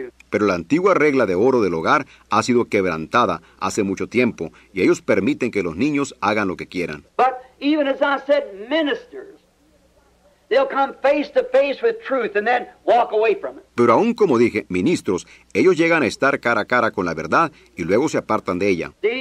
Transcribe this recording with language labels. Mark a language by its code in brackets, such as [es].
[es] Pero la antigua regla de oro del hogar ha sido quebrantada hace mucho tiempo y ellos permiten que los niños hagan lo que quieran. [en] But even as I said, ministers, they'll come face to face with truth and then walk away from it. [es] Pero aún como dije, ministros, ellos llegan a estar cara a cara con la verdad y luego se apartan de ella.